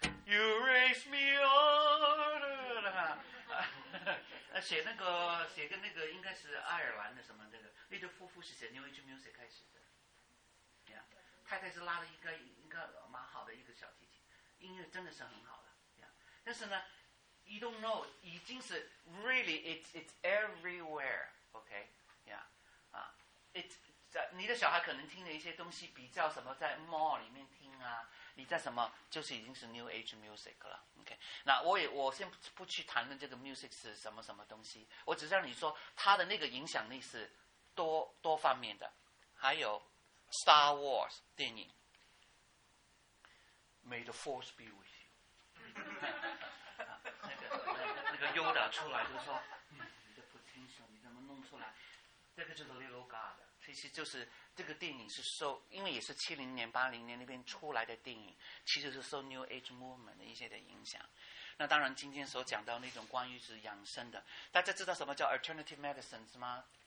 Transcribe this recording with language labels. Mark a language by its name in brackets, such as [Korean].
[Chinese] You raise me up， 写个那个应该是爱尔兰的什么那、这个，那对夫妇是写 New Age Music 开始的， yeah， 太太是拉了一个蛮好的一个小提琴，音乐真的是很好的， yeah， 但是呢 ， [English] You don't know， [Chinese] 已经是 [English] really it's everywhere， [Chinese] OK， yeah， 啊 ，it's 你的小孩可能听的一些东西比较什么在 mall 里面听啊。你在什么就是已经是 New Age Music 了 ，OK？ 那我先不去谈论这个 Music 是什么什么东西，我只是让你说它的那个影响力是多方面的。还有 Star Wars 电影 ， [English] May the Force be with you， [Chinese] 那个 Yoda 出来就说，你的 potential 你怎么弄出来？这个就是 Little God。其实就是这个电影是受，因为也是70年80年那边出来的电影，其实是受 New Age Movement 的一些的影响。那当然今天所讲到那种关于是养生的，大家知道什么叫 Alternative Medicine 是吗？